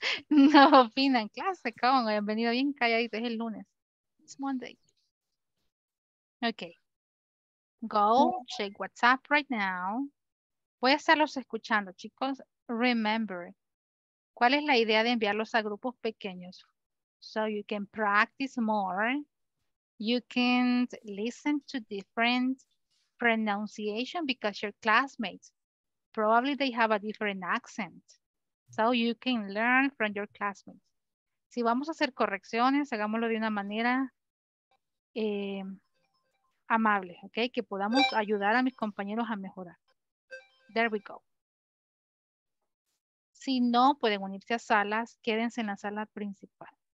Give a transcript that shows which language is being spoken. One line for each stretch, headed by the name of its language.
Spanish: No opinan, clase, cómo, han venido bien calladitos, es el lunes.
English: It's Monday. Okay. Go check WhatsApp right now.
Spanish: Voy a estarlos escuchando, chicos. Remember, ¿cuál es la idea de enviarlos a grupos pequeños?
English: So you can practice more. You can listen to different pronunciation because your classmates, probably they have a different accent. So you can learn from your classmates.
Spanish: Si vamos a hacer correcciones, hagámoslo de una manera amable, ¿ok? Que podamos ayudar a mis compañeros a mejorar.
English: There we go.
Spanish: Si no, pueden unirse a salas, quédense en la sala principal.